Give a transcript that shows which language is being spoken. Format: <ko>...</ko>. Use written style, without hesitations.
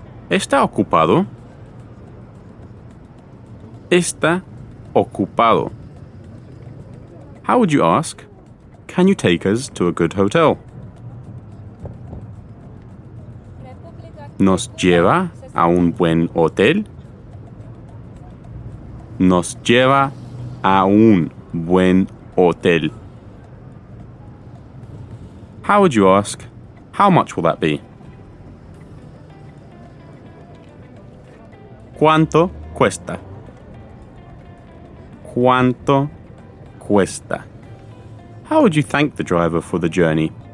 <es>¿Está ocupado? ¿Está ocupado?</es> <en>How would you ask, can you take us to a good hotel?</en> <es>¿Nos lleva a un buen hotel? ¿Nos lleva a un buen hotel?</es> <en>How would you ask, how much will that be?</en> <es>¿Cuánto cuesta? ¿Cuánto cuesta?</es> <en>How would you thank the driver for the journey?</en>